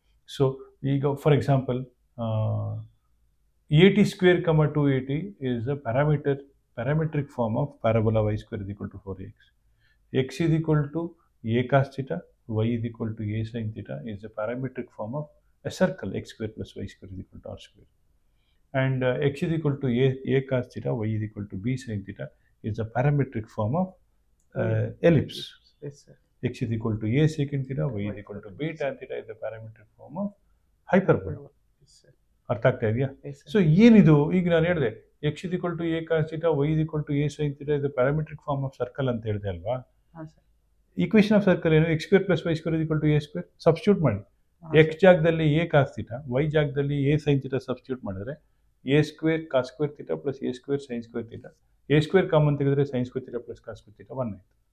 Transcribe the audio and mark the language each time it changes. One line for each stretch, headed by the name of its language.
English: So ಈಗ for example 80² - 280 is a parameter, parametric form of parabola y² = 4x. X ಇದು equal to a cos theta, y = a sin θ is a parametric form of a circle, x square plus y square is equal to r square. And x is equal to a cos theta, y is equal to b sin theta is a parametric form of ellipse. Yes, sir. X is equal to a secant theta, y is equal to b tan theta is the parametric form of hyperbola.
Kannada: ಅರ್ಥ ಆಗ್ತಾ ಇದೆಯಾ? So ಏನಿದು, ಈಗ ನಾನು ಹೇಳಿದೆ X ಇದು equal to A cos theta, Y ಇದು equal to A sine theta ಇದು ಪ್ಯಾರಾಮೆಟ್ರಿಕ್ ಫಾರ್ಮ್ ಆಫ್ ಸರ್ಕಲ್ ಅಂತ ಹೇಳಿದೆ ಅಲ್ವಾ? ಈಕ್ವೇಷನ್ ಆಫ್ ಸರ್ಕಲ್ ಏನು, X square plus Y square ಇದು equal to A square substitute ಮಾಡಿ, ಎಕ್ಸ್ ಜಾಗದಲ್ಲಿ ಎ ಕಾಸ್ ಥೀಟಾ, ವೈ ಜಾಗದಲ್ಲಿ ಎ ಸೈನ್ ಥೀಟಾ ಸಬ್ಸ್ಟಿಟ್ಯೂಟ್ ಮಾಡಿದ್ರೆ A square cos square theta plus A square sine square theta, A square common ತೆಗೆದ್ರೆ sine square theta plus cos square theta 1 ಆಯಿತು.